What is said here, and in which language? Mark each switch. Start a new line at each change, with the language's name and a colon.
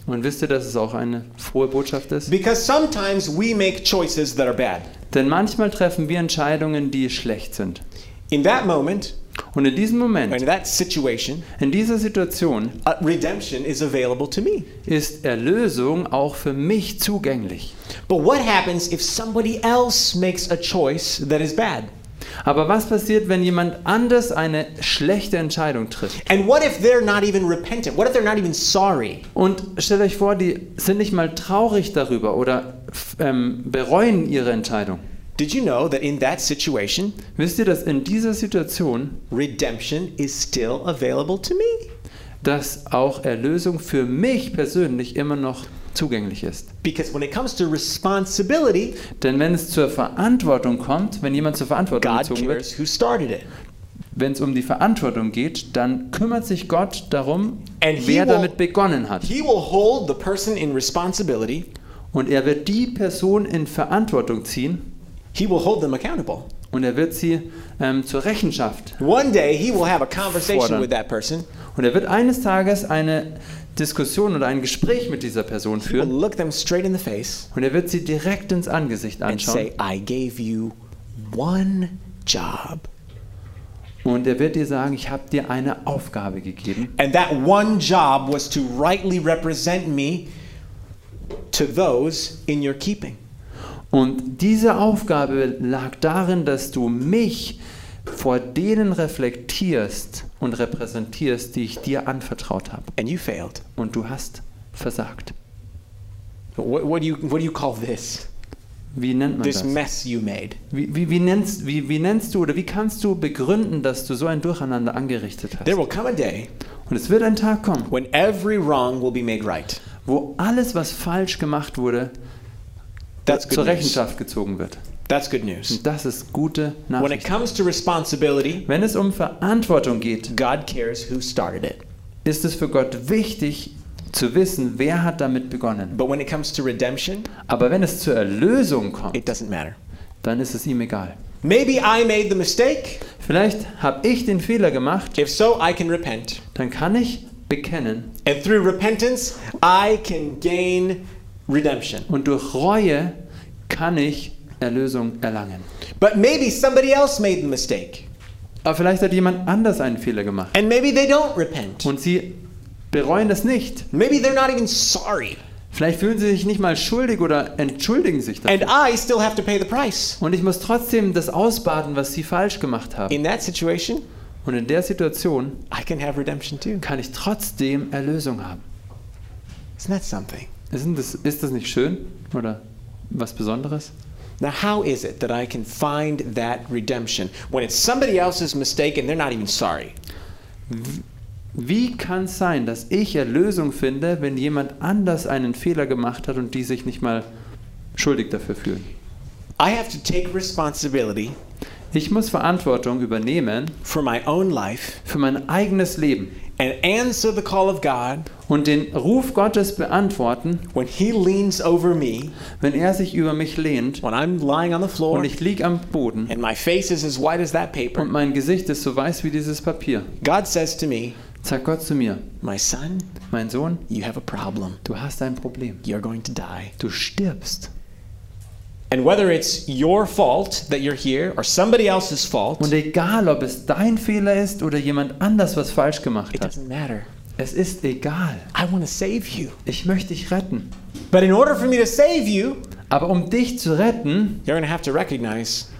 German: Und wisst ihr, dass es auch eine frohe Botschaft ist?
English: Because sometimes we make choices that are bad.
German: Denn manchmal treffen wir Entscheidungen, die schlecht sind.
English: In that moment,
German: und in diesem Moment,
English: in that situation,
German: in dieser Situation,
English: redemption is available to me.
German: Ist Erlösung auch für mich zugänglich.
English: But what happens if somebody else makes a choice that is bad?
German: Aber was passiert, wenn jemand anders eine schlechte Entscheidung trifft?
English: And what if they're not even repentant? What if they're not even sorry?
German: Und stellt euch vor, die sind nicht mal traurig darüber oder bereuen ihre Entscheidung.
English: Did you know that in that situation,
German: wisst ihr, dass in dieser Situation
English: redemption is still available to me?
German: Dass auch Erlösung für mich persönlich immer noch zugänglich ist.
English: Because when it comes to responsibility,
German: denn wenn es zur Verantwortung kommt, wenn jemand zur Verantwortung
English: God
German: gezogen
English: cares
German: wird,
English: who started it.
German: Wenn es um die Verantwortung geht, dann kümmert sich Gott darum, and wer damit begonnen hat.
English: He will hold the person in responsibility,
German: und er wird die Person in Verantwortung ziehen,
English: He will hold them accountable.
German: Und wird sie zur Rechenschaft.
English: One day he will have a conversation fordern. With that person.
German: Und wird eines Tages eine Diskussion oder ein Gespräch mit dieser Person führen.
English: He will look them straight in the face.
German: Und wird sie direkt ins Angesicht anschauen.
English: And say, I gave you one job.
German: Und wird dir sagen, ich habe dir eine Aufgabe gegeben.
English: And that one job was to rightly represent me to those in your keeping.
German: Und diese Aufgabe lag darin, dass du mich vor denen reflektierst und repräsentierst, die ich dir anvertraut habe.
English: And you failed.
German: Und du hast versagt.
English: What do you call this?
German: Wie nennt man
English: this
German: das?
English: Mess you made.
German: Wie nennst du oder wie kannst du begründen, dass du so ein Durcheinander angerichtet hast?
English: There will come a day,
German: und es wird ein Tag kommen,
English: when every wrong will be made right.
German: Wo alles, was falsch gemacht wurde,
English: that's good
German: zur Rechenschaft gezogen wird.
English: That's good news.
German: Und das ist gute Nachricht.
English: When it comes to responsibility,
German: wenn es um Verantwortung geht,
English: God cares who started it.
German: Ist es für Gott wichtig zu wissen, wer hat damit begonnen.
English: But when it comes to redemption,
German: aber wenn es zur Erlösung kommt,
English: it doesn't matter.
German: Dann ist es ihm egal.
English: Maybe I made the mistake.
German: Vielleicht habe ich den Fehler gemacht.
English: If so, I can repent.
German: Dann kann ich bekennen.
English: And through repentance, I can gain redemption.
German: Und durch Reue kann ich Erlösung erlangen.
English: But maybe somebody else made the mistake.
German: Aber vielleicht hat jemand anders einen Fehler gemacht.
English: And maybe they don't repent.
German: Und sie bereuen es nicht.
English: Maybe they're not even sorry.
German: Vielleicht fühlen sie sich nicht mal schuldig oder entschuldigen sich dafür.
English: And I still have to pay the price.
German: Und ich muss trotzdem das ausbaden, was sie falsch gemacht haben.
English: In that situation,
German: und in der Situation,
English: I can have redemption too.
German: Kann ich trotzdem Erlösung haben.
English: Isn't that something?
German: Ist das nicht schön oder was Besonderes?
English: Now how is it that I can find that redemption when it's somebody else's mistake and they're not even sorry?
German: Wie kann es sein, dass ich Erlösung finde, wenn jemand anders einen Fehler gemacht hat und die sich nicht mal schuldig dafür fühlen?
English: I have to take responsibility.
German: Ich muss Verantwortung übernehmen
English: for my own life,
German: für mein eigenes Leben.
English: And answer the call of God,
German: und den Ruf Gottes beantworten,
English: when he leans over me,
German: wenn er sich über mich lehnt,
English: when I'm lying on the floor,
German: und ich lieg am Boden,
English: and my face is as white as that paper,
German: und mein Gesicht ist so weiß wie dieses Papier.
English: God says to me,
German: sagt Gott zu mir,
English: my son,
German: mein Sohn,
English: you have a problem.
German: Du hast ein Problem.
English: You're going to die.
German: Du stirbst.
English: And whether it's your fault that you're here or somebody else's fault,
German: und egal ob es dein Fehler ist oder jemand anders was falsch gemacht hat,
English: it doesn't matter.
German: Es ist egal.
English: I want to save you.
German: Ich möchte dich retten.
English: But in order for me to save you,
German: aber um dich zu retten,
English: you're gonna have to recognize,